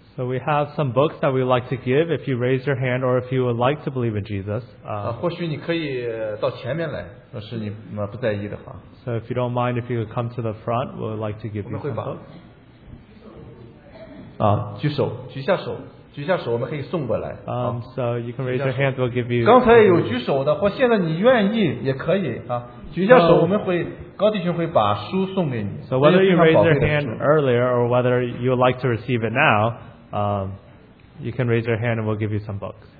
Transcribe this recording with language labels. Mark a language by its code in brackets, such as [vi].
[en] So we have some books that we'd like to give if you raise your hand or if you would like to believe in Jesus. [zh] 或许你可以到前面来，若是你不在意的话。 [en] So if you don't mind, if you would come to the front, we'd like to give you some books. [zh] 举下手，我们可以送过来。 [en] So you can raise your hand, we'll give you. [zh] 刚才有举手的，或现在你愿意也可以。举下手，高弟兄会把书送给你。 [en] So whether you raise your hand earlier or whether you would like to receive it now, you can raise your hand and we'll give you some books.